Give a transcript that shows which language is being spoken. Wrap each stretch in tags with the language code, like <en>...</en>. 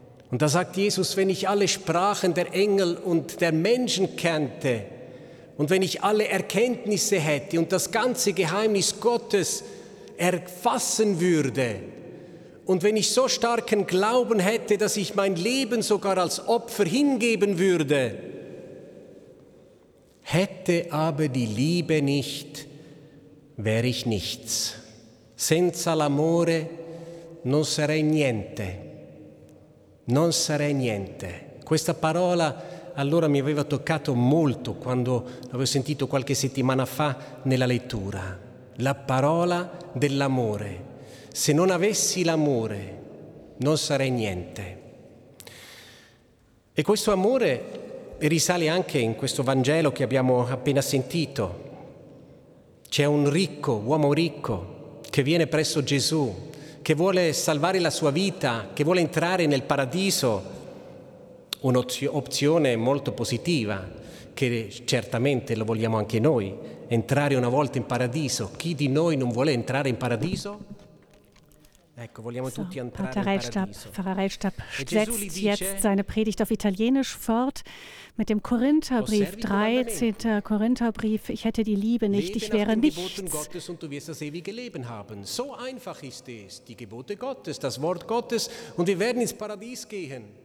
<de>Und da sagt Jesus, wenn ich alle Sprachen der Engel und der Menschen kennte und wenn ich alle Erkenntnisse hätte und das ganze Geheimnis Gottes erfassen würde und wenn ich so starken Glauben hätte, dass ich mein Leben sogar als Opfer hingeben würde, hätte aber die Liebe nicht, wäre ich nichts.</de> <it>Senza l'amore non sarei niente. Non sarei niente. Questa parola allora mi aveva toccato molto quando l'avevo sentito qualche settimana fa nella lettura. La parola dell'amore. Se non avessi l'amore, non sarei niente. E questo amore risale anche in questo Vangelo che abbiamo appena sentito. C'è un ricco, uomo ricco, che viene presso Gesù, che vuole salvare la sua vita, che vuole entrare nel paradiso, un'opzione molto positiva, che certamente lo vogliamo anche noi, entrare una volta in paradiso. Chi di noi non vuole entrare in paradiso? Ecco, vogliamo so, tutti entrare</it> <de>Pater Reifstab, Pfarrer Reifstab setzt jetzt seine Predigt auf Italienisch fort mit dem Korintherbrief, 13. Korintherbrief. Ich hätte die Liebe nicht, ich wäre nichts. Lebe nach den Geboten Gottes und du wirst das ewige Leben haben. So einfach ist es, die Gebote Gottes, das Wort Gottes und wir werden ins Paradies gehen.</de>